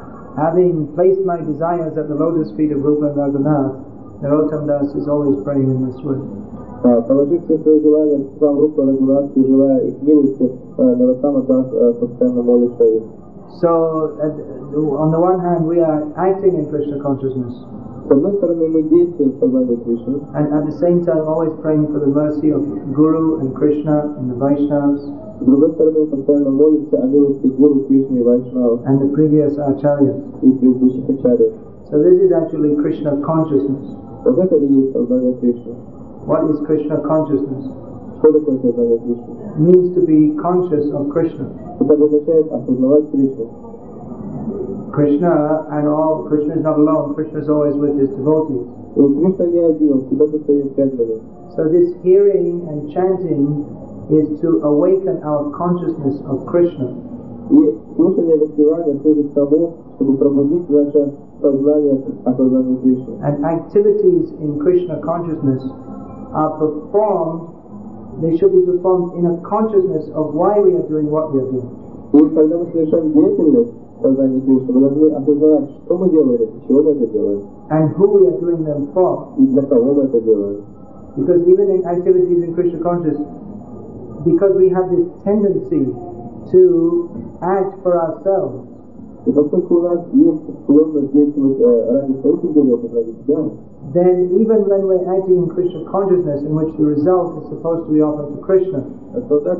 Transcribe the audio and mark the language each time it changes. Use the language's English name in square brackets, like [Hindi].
[English] Having placed my desires at the lotus feet of Rupa and Raghunath, Narottam Das is always praying in this way. [Russian] Положив все свои желания к Рупам Рупа Рагунатх и желая их милости, Нарасама Дас постоянно молится им. [English] So, on the one hand, we are acting in Krishna consciousness. [Russian] С одной стороны, мы действуем в сознании Кришны. [English] And at the same time, always praying for the mercy of Guru and Krishna and the Vaishnavas. [Russian] С другой стороны, постоянно молится о милости Гуру, Кришны и Вайшнава. [English] And the previous Acharyas. [Russian] И предыдущих Ачарьев. [English] So this is actually Krishna consciousness. [Russian] Вот это и есть сознание Кришны. [English] What is Krishna consciousness? What is Krishna consciousness? It means to be conscious of Krishna. [Russian] It означает осознавать Кришну. [English] Krishna and all, Krishna is not alone, Krishna is always with his devotees. [Russian] И Кришна не один, он всегда со своими преданными. [English] So this hearing and chanting is to awaken our consciousness of Krishna. [Russian] И слушание воспевания служит тому, чтобы пробудить наше сознание осознания Кришны. [English] And activities in Krishna consciousness are performed, they should be performed in a consciousness of why we are doing what we are doing. [Russian] И когда мы совершаем деятельность сознания Кришны, мы должны осознавать, что мы делаем, чего мы это делаем. [English] And who we are doing them for. [Russian] И для кого мы это делаем. [English] Because even in activities in Krishna consciousness, because we have this tendency to act for ourselves. [Russian] И поскольку у нас есть склонность действовать ради своих интересов, ради себя, [English] then even when we're acting in Krishna consciousness, in which the result is supposed to be offered to